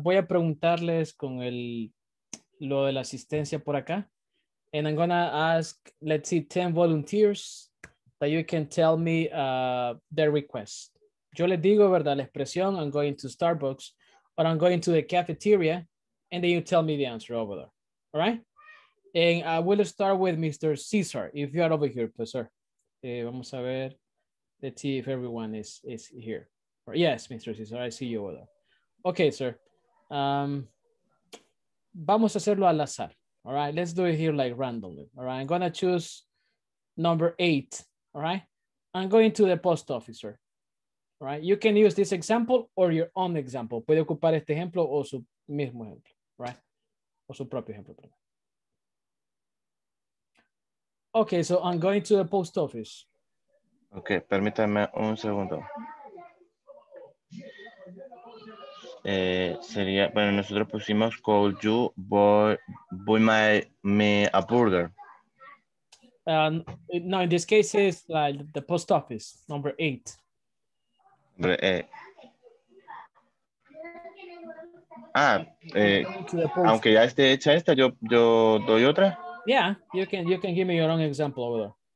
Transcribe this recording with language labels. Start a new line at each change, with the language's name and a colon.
Spanish: Voy a preguntarles con lo de la asistencia por acá.
English: And I'm going to ask, let's see, 10 volunteers that you can tell me their request.
Spanish: Yo les digo, ¿verdad? La expresión,
English: I'm going to Starbucks or I'm going to the cafeteria. And then you tell me the answer over there, all right? And I will start with Mr. Cesar, if you are over here, please, sir.
Spanish: Vamos a ver,
English: let's see if everyone is here. Yes, Mr. Cesar, I see you over there. Okay, sir.
Spanish: Vamos a hacerlo al azar,
English: all right? Let's do it here like randomly, all right? I'm gonna choose number 8, all right? I'm going to the post office, sir, all right? You can use this example or your own example.
Spanish: Puede ocupar este ejemplo o su mismo ejemplo. Right, or su propio ejemplo.
English: Okay, so I'm going to the post office.
Spanish: Okay, permítame un segundo. Sería, bueno, nosotros pusimos
English: call you buy my me a burger. No, in this case is like the post office number 8.
Spanish: Aunque ya esté hecha esta, yo doy otra.
English: Yeah, you can give me your own example over there.